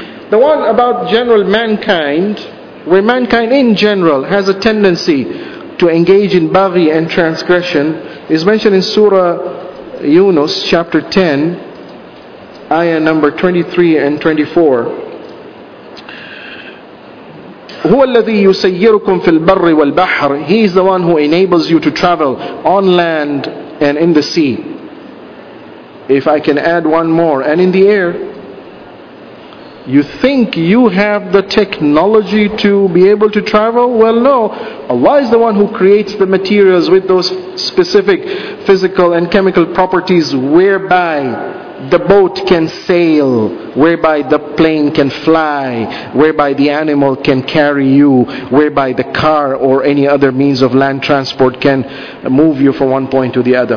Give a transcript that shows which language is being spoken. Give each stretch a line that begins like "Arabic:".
English: The one about general mankind, where mankind in general has a tendency to engage in baghi and transgression, is mentioned in Surah Yunus, chapter 10, ayah number 23 and 24.
Arabic: هو الذي يسيركم في البر والبحر.
English: He is the one who enables you to travel on land and in the sea. If I can add one more, and in the air. You think you have the technology to be able to travel? Well, no. Allah is the one who creates the materials with those specific physical and chemical properties whereby the boat can sail, whereby the plane can fly, whereby the animal can carry you, whereby the car or any other means of land transport can move you from one point to the other.